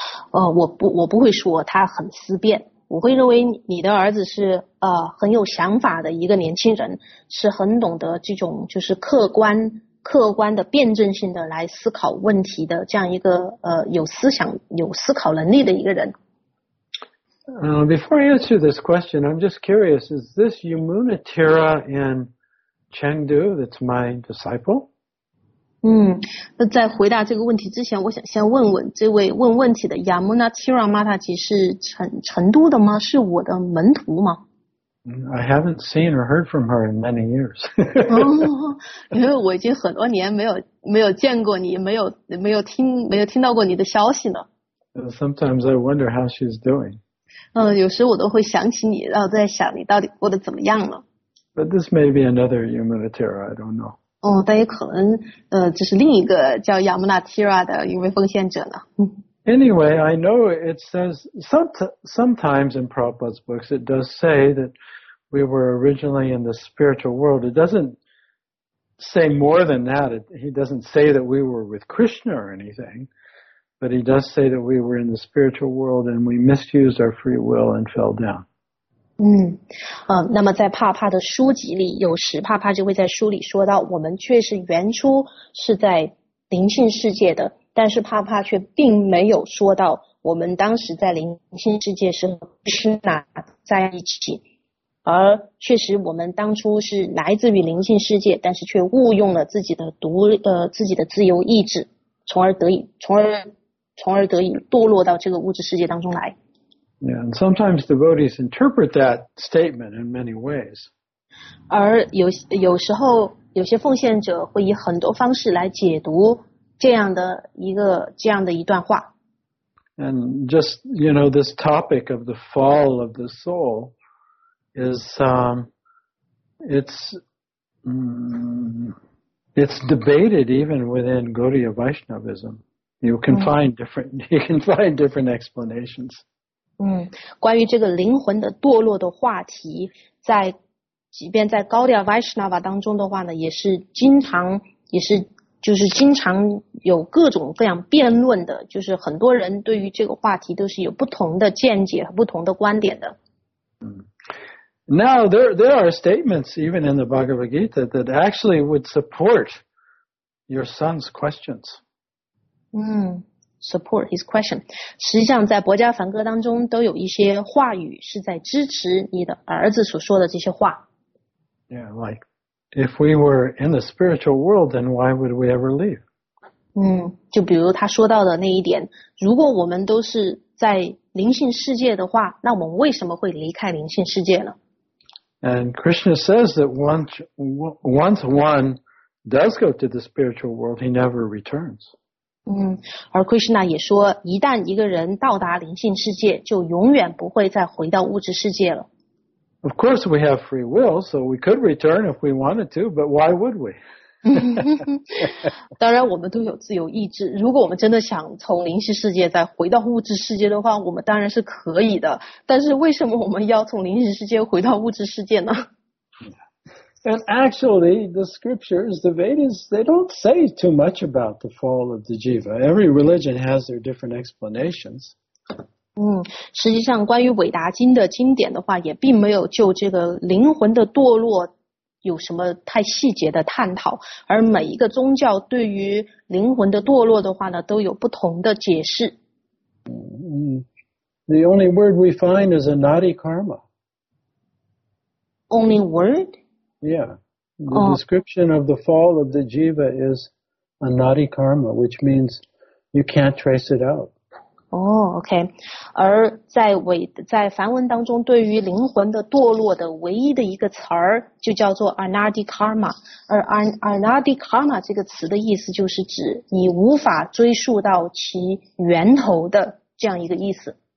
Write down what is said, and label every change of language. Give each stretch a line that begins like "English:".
Chinese: 我不会说他很思辨。我会认为你的儿子是很有想法的一个年轻人，是很懂得这种就是客观的辩证性的来思考问题的这样一个有思想有思考能力的一个人。
English: Before I answer this question, I'm just curious, is this Yamuna Tira in Chengdu that's my disciple?
Chinese: 在回答这个问题之前，我想先问问这位问问题的 Yamuna Tira Mataji 是成都的吗？是我的门徒吗？
English: I haven't seen or heard from her in many years.
Chinese: 因为我已经很多年没有见过你，没有听到过你的消息了。
English: Sometimes I wonder how she's doing.
Chinese: 有时我都会想起你，然后在想你到底过得怎么样了。
English: But this may be another Yamuna Tira, I don't know.
Chinese: 但也可能这是另一个叫 Yamuna Tira 的一位奉献者呢。
English: Anyway, I know it says, sometimes in Prabhupada's books, it does say that we were originally in the spiritual world. It doesn't say more than that. He doesn't say that we were with Krishna or anything, but he does say that we were in the spiritual world and we misused our free will and fell down.
Chinese: 那么在帕帕的书籍里，有时帕帕就会在书里说到，我们确实原初是在灵性世界的，但是帕帕却并没有说到我们当时在灵性世界是和Krishna在一起，而确实我们当初是来自于灵性世界，但是却误用了自己的自由意志，从而得以堕落到这个物质世界当中来。
English: Yeah, and sometimes devotees interpret that statement in many ways.
Chinese: 而有时候有些奉献者会以很多方式来解读这样的一个这样的一段话。
English: And just, you know, this topic of the fall of the soul is, it's debated even within Gaudiya Vaishnavism. You can find different explanations.
Chinese: 关于这个灵魂的堕落的话题，在即便在 Gaudiya Vaishnava 当中的话呢，也是经常有各种各样辩论的，就是很多人对于这个话题都是有不同的见解和不同的观点的。
English: Now there are statements even in the Bhagavad Gita that actually would support your son's questions. Support his question.
Chinese: 实际上在博迦梵歌当中都有一些话语是在支持你的儿子所说的这些话。
English: Yeah, like,If we were in the spiritual world, then why would we ever leave?
Chinese: 就比如他说到的那一点，如果我们都是在灵性世界的话，那我们为什么会离开灵性世界呢？
English: And Krishna says that once one does go to the spiritual world, he never returns.
Chinese: 而 Krishna 也说，一旦一个人到达灵性世界，就永远不会再回到物质世界了。
English: Of course, we have free will, so we could return if we wanted to, but why would we?
Chinese: 当然我们都有自由意志。如果我们真的想从灵性世界再回到物质世界的话，我们当然是可以的。但是为什么我们要从灵性世界回到物质世界呢？
English: And actually, the scriptures, the Vedas, they don't say too much about the fall of the jiva. Every religion has their different explanations.
Chinese: 实际上关于韦达经的经典的话也并没有就这个灵魂的堕落有什么太细节的探讨，而每一个宗教对于灵魂的堕落的话呢都有不同的解释。
English: The only word we find is a naughty karma. Only word? Yeah. The description of the fall of the jiva is a naughty karma, which means you can't trace it out.
Chinese: OK, 而在梵文当中对于灵魂的堕落的唯一的一个词儿就叫做 Anadi Karma, 而 Anadi Karma 这个词的意思就是指你无法追溯到其源头的这样一个意思。